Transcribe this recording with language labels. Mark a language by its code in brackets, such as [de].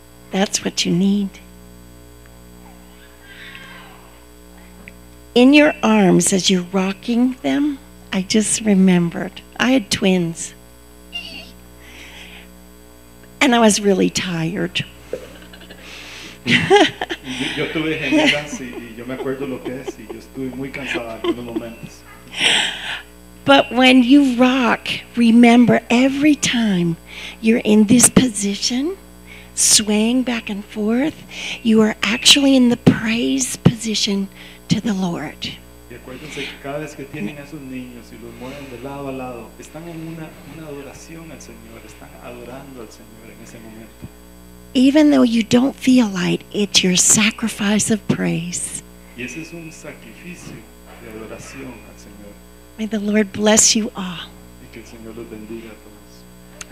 [en] That's what you need. In your arms as you're rocking them, I just remembered, I had twins, and I was really tired. [es] Yo tuve gemelas y yo me acuerdo lo que es, y yo estuve muy cansada en algunos momentos. [en] But when you rock, remember every time you're in this position, swaying back and forth, you are actually in the praise position to the Lord. [es] Y acuérdense que cada vez que tienen a esos niños y los mueven de lado a lado, están en una adoración al Señor, están adorando al Señor en ese momento. [en] Even though you don't feel like it, it's your sacrifice of praise. [es] Y ese es un sacrificio de adoración al Señor. [en] May the Lord bless you all. [es] Y que el Señor los bendiga a todos.